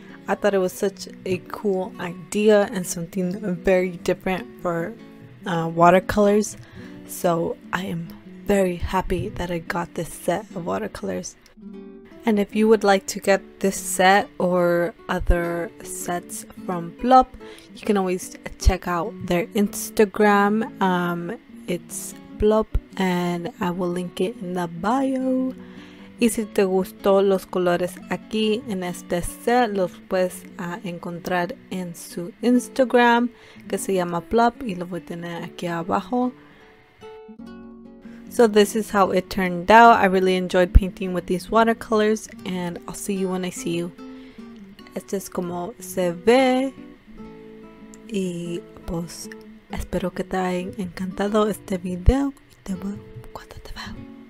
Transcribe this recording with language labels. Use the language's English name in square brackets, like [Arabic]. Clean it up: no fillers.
[English] I thought it was such a cool idea and something very different for watercolors, so I am very happy that I got this set of watercolors. And if you would like to get this set or other sets from Plop, you can always check out their Instagram. It's Plop, and I will link it in the bio. [Spanish] Y si te gustó los colores aquí en este set, los puedes encontrar en su Instagram, que se llama Plop, y lo voy a tener aquí abajo. [English] So this is how it turned out. I really enjoyed painting with these watercolors, and I'll see you when I see you. [Spanish] Este es como se ve. Y pues espero que te haya encantado este video. Y te veo cuando te veo.